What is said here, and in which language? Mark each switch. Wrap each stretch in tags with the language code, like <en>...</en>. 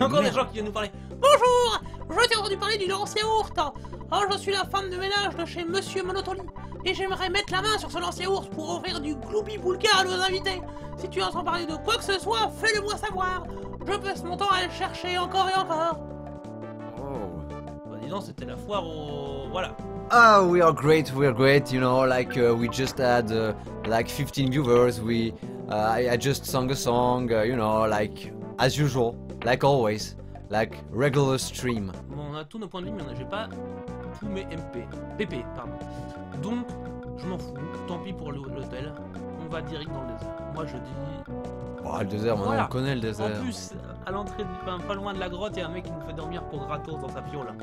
<fr>Encore des gens qui viennent nous parler. Bonjour! Je t'ai entendu parler du lancer ourt. Oh, je suis la femme de ménage de chez Monsieur Monotoli. Et j'aimerais mettre la main sur ce lancer ours pour offrir du gloopy boulga à nos invités. Si tu entends parler de quoi que ce soit, fais-le moi savoir. Je passe mon temps à le chercher encore et encore. Oh. Bah disons, c'était la foire au... Voilà.</fr> <en>Ah, we are great, you know, like, we just had, like, 15 viewers, we... I just sang a song, you know, like, as usual, like always, like, regular stream.</en> <fr>Bon, on a tous nos points de vue, mais on n'a pas tous mes MP. PP, pardon. Donc, je m'en fous, tant pis pour l'hôtel, on va direct dans le désert. Moi je dis... Oh le désert, voilà. On connaît le désert. En plus, à l'entrée, de... enfin, pas loin de la grotte, il y a un mec qui nous fait dormir pour gratos dans sa piole.</fr>